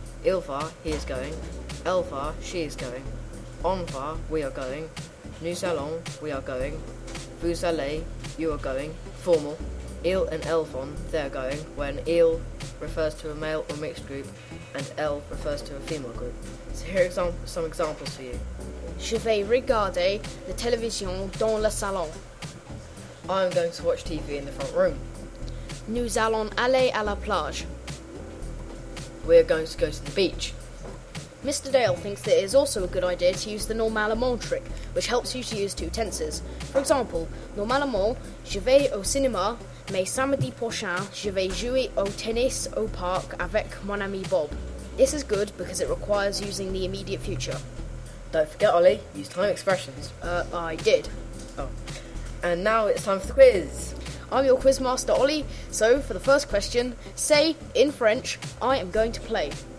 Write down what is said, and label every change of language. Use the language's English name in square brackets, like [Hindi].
[French] Il va, [English] he is going. [French] Elle va, [English] she is going. [French] On va, [English] we are going. [French] Nous allons, [English] we are going. [French] Vous allez, [English] you are going, formal. Il and elle vont, they are going, when il refers to a male or mixed group, and elle refers to a female group. So here are some examples for you. [French] Je vais regarder la télévision dans le salon. [English] I am going to watch TV in the front room. [French] Nous allons aller à la plage. [English] We are going to go to the beach. Mr. Dale thinks that it is also a good idea to use the normalement trick, which helps you to use two tenses. For example, [French] normalement, je vais au cinéma, mais samedi prochain, je vais jouer au tennis au parc avec mon ami Bob. [English] This is good because it requires using the immediate future. Don't forget, Ollie, use time expressions. I did. Oh. And now it's time for the quiz. I'm your quiz master, Ollie. So, for the first question, say, in French, I am going to play.